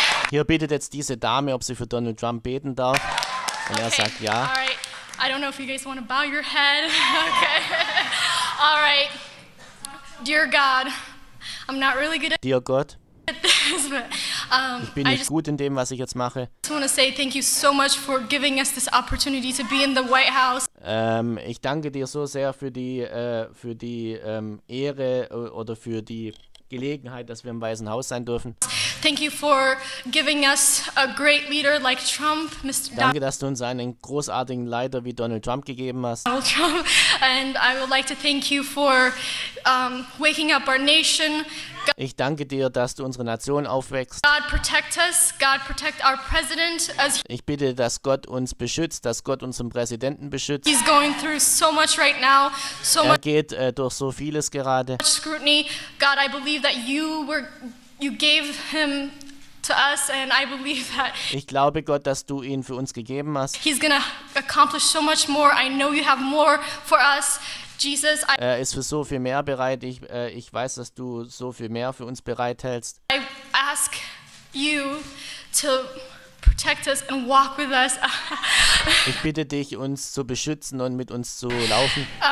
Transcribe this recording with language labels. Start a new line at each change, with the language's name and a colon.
German: Hier betet jetzt diese Dame, ob sie für Donald Trump beten darf. Und er sagt ja.
English: Alright. I don't know if you guys want to bow your head. Okay. Alright. Dear God, I'm not really good at. Dear God.
German: Ich bin nicht gut in dem, was ich jetzt mache. Ich danke dir so sehr für die Ehre oder für die Gelegenheit, dass wir im Weißen Haus sein dürfen.
English: Thank you for giving us a great leader like Trump, Mr.
German: Danke, dass du uns einen großartigen Leiter wie Donald Trump gegeben hast.
English: Donald Trump, and I would like to thank you for waking up our nation.
German: Ich danke dir, dass du unsere Nation aufwächst.
English: God protect us. God protect our president.
German: Ich bitte, dass Gott uns beschützt, dass Gott unseren Präsidenten beschützt.
English: He's going through so much right now. So
German: er geht durch so vieles gerade.
English: Scrutiny. God, I believe that you gave him to us, and I believe that.
German: Ich glaube, Gott, dass du ihn für uns gegeben hast.
English: He's gonna accomplish so much more. I know you have more for us. Jesus,
German: er ist für so viel mehr bereit. Ich weiß, dass du so viel mehr für uns bereithältst.
English: I ask you to protect us and walk with us.
German: Ich bitte dich, uns zu beschützen und mit uns zu laufen.